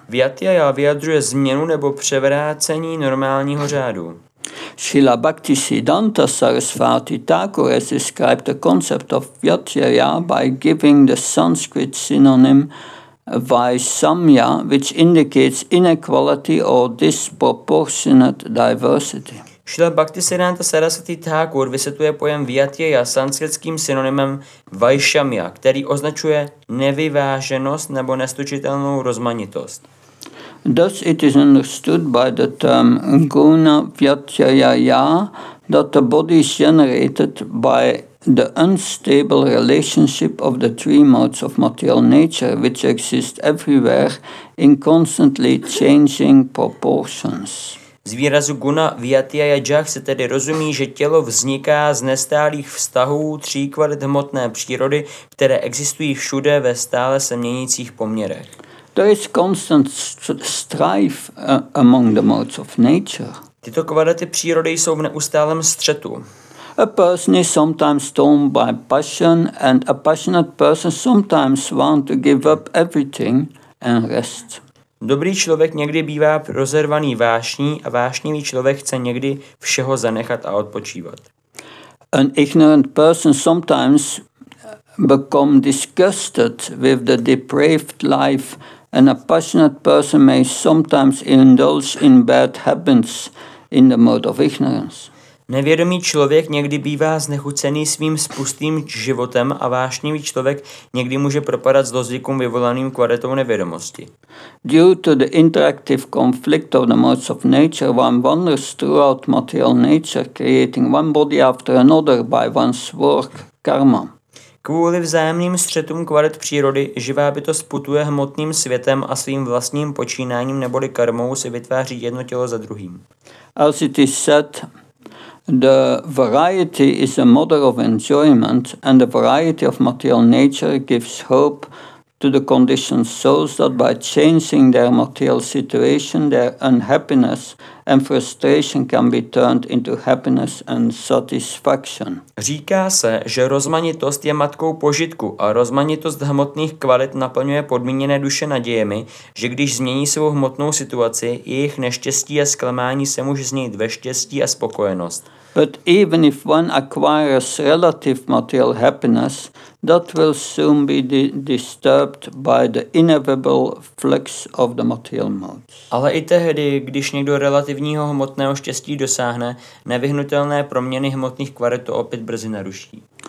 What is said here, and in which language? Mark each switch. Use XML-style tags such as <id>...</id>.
<cs>Vyatyaya vyjadřuje změnu nebo převrácení normálního řádu.</cs> <en>Srila Bhaktisiddhanta Sarasvati Thakur has described the concept of Vyatyaya by giving the Sanskrit synonym Vaisamya, which indicates inequality or disproportionate diversity.</en> <cs>Srila Bhaktisiddhanta Sarasvati Thakur vysvětluje pojem Vyatyaya sanskritským synonymem Vaisamya, který označuje nevyváženost nebo neslučitelnou rozmanitost.</cs> <en>Thus it is understood by the term guna vyatyaya that the body is generated by the unstable relationship of the three modes of material nature which exist everywhere in constantly changing proportions.</en> <cs>Z výrazu guna vyatyaya jah se tedy rozumí, že tělo vzniká z nestálých vztahů tří kvalit hmotné přírody, které existují všude ve stále se měnících poměrech.</cs> <en>There is constant strife among the modes of nature.</en> <cs>Tyto kvality přírody jsou v neustálém střetu.</cs> <en>A person is sometimes torn by passion and a passionate person sometimes wants to give up everything and rest.</en> <cs>Dobrý člověk někdy bývá rozervaný vášní a vášnivý člověk chce někdy všeho zanechat a odpočívat.</cs> <en>An ignorant person sometimes become disgusted with the depraved life and a passionate person may sometimes indulge in bad habits in the mode of ignorance.</en> <cs>Nevědomý člověk někdy bývá znechucený svým spustým životem a vášnivý člověk někdy může propadat zlozvykům vyvolaným kvalitou nevědomosti.</cs> <en>Due to the interactive conflict of the modes of nature, one wanders throughout material nature, creating one body after another by one's work, karma.</en> <cs>Kvůli vzájemným střetům kvalit přírody, živá bytost putuje hmotným světem a svým vlastním počínáním neboli karmou si vytváří jedno tělo za druhým.</cs> <en>As it is said, the variety is a mother of enjoyment and the variety of material nature gives hope to the conditioned souls that by changing their material situation, their unhappiness and frustration can be turned into happiness and satisfaction.</en> <cs>Říká se, že rozmanitost je matkou požitku a rozmanitost hmotných kvalit naplňuje podmíněné duše nadějemi, že když změní svou hmotnou situaci, jejich neštěstí a zklamání se může změnit ve štěstí a spokojenost.</cs> <en>But even if one acquires relative material happiness, that will soon be disturbed by the inevitable flux of the material modes.</en> <cs>Ale i tehdy, když někdo relativního hmotného štěstí dosáhne, nevyhnutelné proměny hmotných kvalit to opět brzy naruší.</cs>